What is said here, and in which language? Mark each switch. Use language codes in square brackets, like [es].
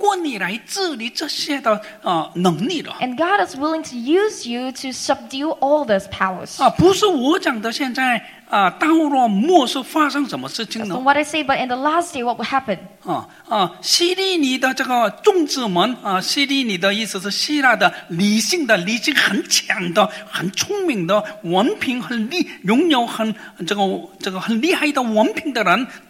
[zh] 那我们的上帝呢，愿意透过你来治理这些的能力了。 [en] And God is willing to use you to subdue all those powers. [zh] 啊，不是我讲的，现在啊，到了末世发生什么事情呢？ [en] From what I say, but in the last day, what will happen? [zh] 啊，希利尼的这个众子们啊，希利尼的意思是希腊的理性的、理性很强的、很聪明的、文凭很厉、拥有很这个很厉害的文凭的人。